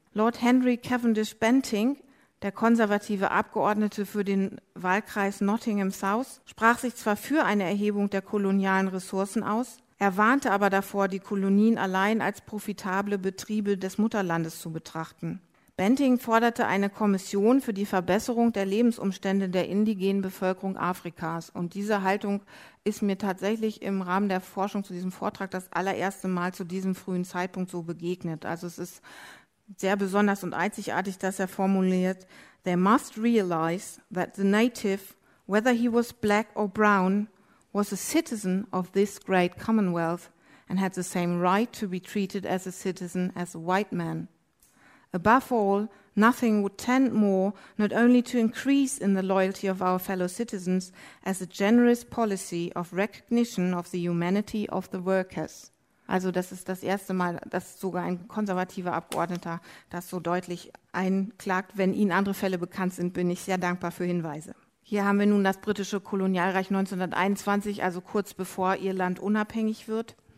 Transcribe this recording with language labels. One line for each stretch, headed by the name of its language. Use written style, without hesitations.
German: Lord Henry Cavendish Bentinck, der konservative Abgeordnete für den Wahlkreis Nottingham South, sprach sich zwar für eine Erhebung der kolonialen Ressourcen aus, er warnte aber davor, die Kolonien allein als profitable Betriebe des Mutterlandes zu betrachten. Bentinck forderte eine Kommission für die Verbesserung der Lebensumstände der indigenen Bevölkerung Afrikas. Und diese Haltung ist mir tatsächlich im Rahmen der Forschung zu diesem Vortrag das allererste Mal zu diesem frühen Zeitpunkt so begegnet. Also es ist sehr besonders und einzigartig, dass er formuliert:
English: They must realize that the native, whether he was black or brown, was a citizen of this great commonwealth and had the same right to be treated as a citizen as a white man. Above all, nothing would tend more not only to increase in the loyalty of our fellow citizens as a generous policy of recognition of the humanity of the workers.
German: Also das ist das erste Mal, dass sogar ein konservativer Abgeordneter das so deutlich einklagt. Wenn Ihnen andere Fälle bekannt sind, bin ich sehr dankbar für Hinweise. Hier haben wir nun das britische Kolonialreich 1921, also kurz bevor Irland unabhängig wird.